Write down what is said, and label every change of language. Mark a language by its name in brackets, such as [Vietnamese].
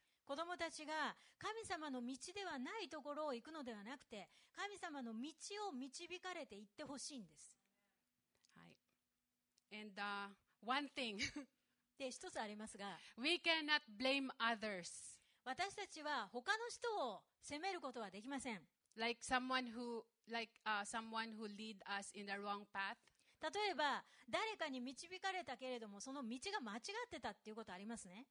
[Japanese] 子供たちが神様の道ではないところを行くのではなくて、神様の道を導かれて行ってほしいんです。はい。 [English] And one thing. [Japanese] で一つありますが、 [English] We cannot blame others. [Japanese] 私たちは他の人を責めることはできません。 [English] Like someone who, someone who lead us in the wrong path. [Japanese] 例えば誰かに導かれたけれども、その道が間違ってたっていうことありますね。